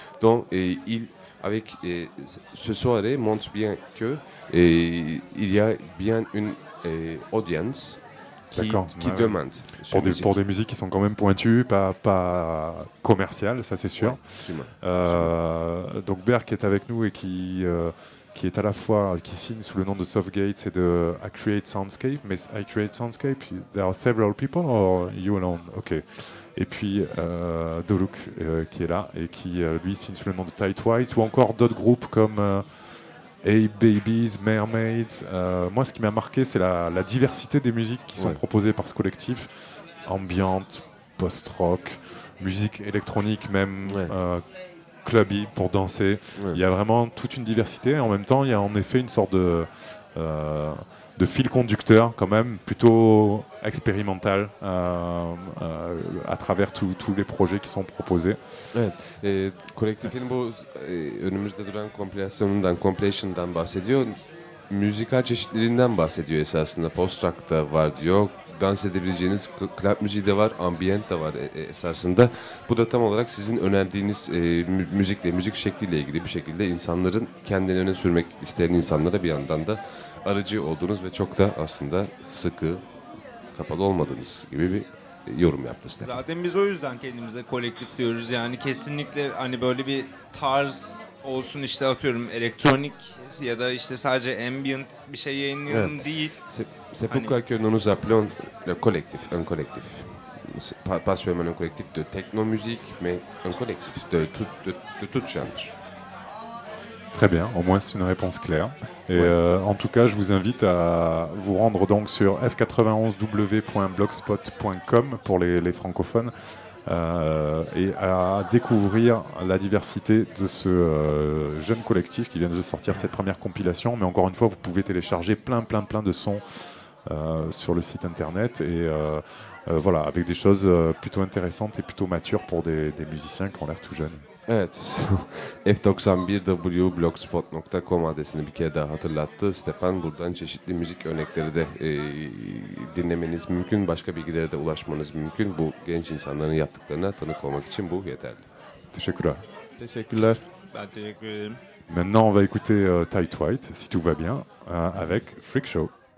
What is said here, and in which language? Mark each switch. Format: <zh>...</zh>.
<fr>Donc, ce soirée montre bien que il y a bien une audience qui demande. Pour des musiques qui sont quand même pointues, pas commerciales, ça c'est sûr. Ouais, absolument. Donc Berk est avec nous et qui est à la fois, qui signe sous le nom de Softgates et de I Create Soundscape. Mais</fr> <en>I Create Soundscape, there are several people or you alone? Ok.</en> <fr>Et puis Doruk qui est là et qui lui signe sous le nom de Tight White ou encore d'autres groupes comme Hey Babies, Mermaids. Moi, ce qui m'a marqué, c'est la diversité des musiques qui sont proposées par ce collectif. Ambiante, post-rock, musique électronique même, clubby pour danser. Ouais. Il y a vraiment toute une diversité. En même temps, il y a en effet une sorte de fil conducteur quand même, plutôt expérimental à travers tous les projets qui sont proposés.</fr> <tr>Evet. Kolektifin bu önümüzde duran kompilasyonundan, compilation'dan bahsediyor. Müzikal çeşitliliğinden bahsediyor esasında. Post-rock da var diyor. Dans edebileceğiniz club müziği de var, ambient de var esasında. Bu da tam olarak sizin önerdiğiniz müzikle, müzik şekliyle ilgili bir şekilde insanların kendini öne sürmek isteyen insanlara bir yandan da aracı olduğunuz ve çok da aslında sıkı, kapalı olmadığınız gibi bir yorum yaptı Stefan. Zaten biz o yüzden kendimize kolektif diyoruz. Yani kesinlikle hani böyle bir tarz olsun işte atıyorum elektronik ya da işte sadece ambient bir şey yayınlayalım değil.</tr> <fr>C'est pourquoi que nous nous appelons le collectif, un collectif. passionnément un collectif de techno-musique, mais un collectif de tout genre. Très bien, au moins c'est une réponse claire. Et ouais. En tout cas, je vous invite à vous rendre donc sur f91w.blogspot.com pour les francophones et à découvrir la diversité de ce jeune collectif qui vient de sortir cette première compilation. Mais encore une fois, vous pouvez télécharger plein de sons sur le site internet et voilà, avec des choses plutôt intéressantes et plutôt matures pour des musiciens qui ont l'air tout jeunes.</fr> <tr>Evet, f91w.blogspot.com adresini bir kere daha hatırlattı Stefan. Buradan çeşitli müzik örnekleri de dinlemeniz mümkün, başka bilgilere de ulaşmanız mümkün. Bu genç insanların yaptıklarına tanık olmak için bu yeterli. Teşekkürler. Teşekkürler. Ben teşekkür ederim.</tr> <fr>Maintenant on va écouter Tight White, si tout va bien, avec Freak Show.</fr>